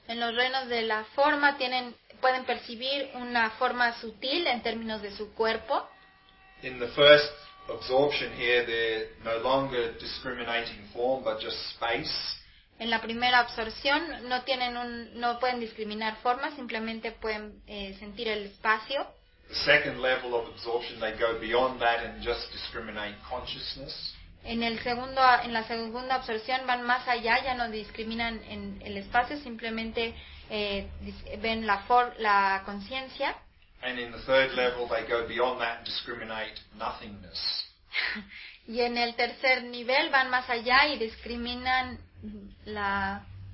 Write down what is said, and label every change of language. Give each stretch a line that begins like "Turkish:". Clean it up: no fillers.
Spanish: En los reinos de la forma pueden percibir una forma sutil en términos de su cuerpo.
English: In the first absorption here, they're no longer discriminating form, but just space.
Spanish: En la primera absorción no tienen un, no pueden discriminar formas, simplemente pueden sentir el espacio.
English: The second level of absorption, they go beyond that and just discriminate consciousness.
Spanish: En la segunda absorción van más allá, ya no discriminan en el espacio, simplemente ven la conciencia.
English: And in the third level, they go beyond that and discriminate nothingness.
Spanish: Y en el tercer nivel van más allá y discriminan la